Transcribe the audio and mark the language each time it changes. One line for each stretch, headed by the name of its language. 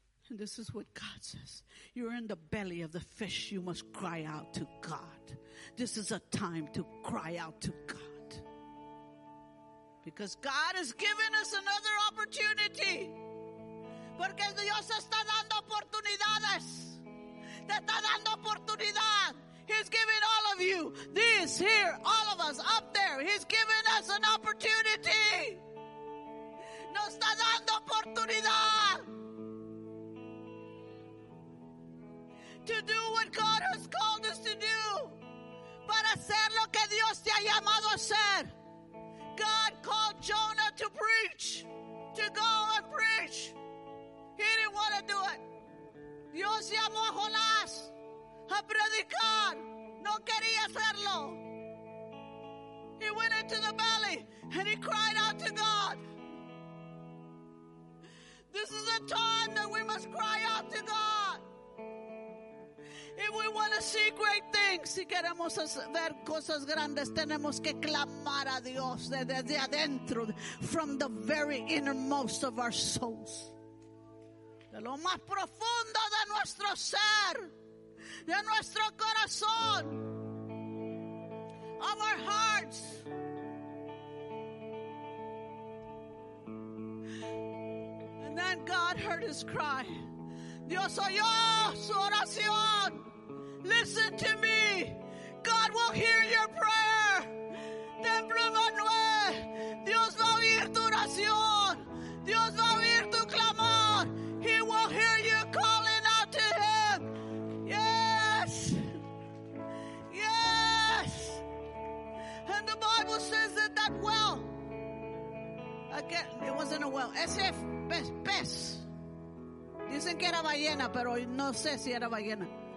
English: And this is what God says. You're in the belly of the fish. You must cry out to God. This is a time to cry out to God. Because God has given us another opportunity.
Spanish: Porque Dios está dando oportunidades. Te está dando oportunidad.
English: He's giving all of you, these here, all of us up there, He's giving us an opportunity.
Spanish: Nos está dando oportunidad
English: to do what God has called us to do.
Spanish: Para hacer lo que Dios te ha llamado a hacer.
English: God called Jonah to preach, to go and preach. He didn't want to do it.
Spanish: Dios llamó a Jonás a predicar. No quería hacerlo.
English: He went into the belly and he cried out to God. This is a time that we must cry out to God. If we want to see great things,
Spanish: si queremos ver cosas grandes, tenemos que clamar a Dios desde adentro,
English: from the very innermost of our souls.
Spanish: De lo más profundo de nuestro ser, de nuestro corazón,
English: of our hearts. And then God heard his cry.
Spanish: Dios oyó su oración.
English: Listen to me. God will hear your prayer.
Spanish: Temple Manuel. Dios va a oír tu oración. Dios va a oír tu clamor.
English: He will hear you calling out to him. Yes. Yes. And the Bible says that that well. Again, it wasn't a well. SF. Pez.
Spanish: Dicen que era ballena, pero no sé si era ballena.